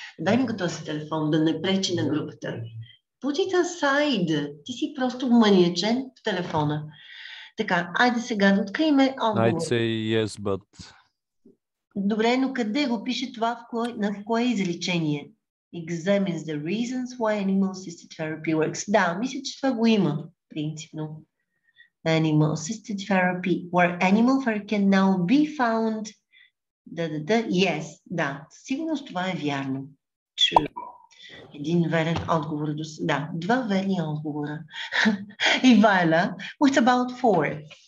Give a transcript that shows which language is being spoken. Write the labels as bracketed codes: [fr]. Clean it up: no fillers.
[bg] Дай ми го този телефон, да не пречи на групата. [en] Put it aside. [bg] Ти си просто маниачен в телефона. Така, айде сега да открием отговор. [en] I'd say yes, but... [bg] Добре, но къде го пише това, на кое изречение? [en] Examines the reasons why animal assisted therapy works. [bg] Да, мисля, че това го има, принципно. [en] Animal assisted therapy, where animal therapy can now be found. [bg] Да. [en] Yes, [bg] да, сигурност това е вярно. True. Един верен отговор. Да, два верни отговора. И Вайла, [en] what about four?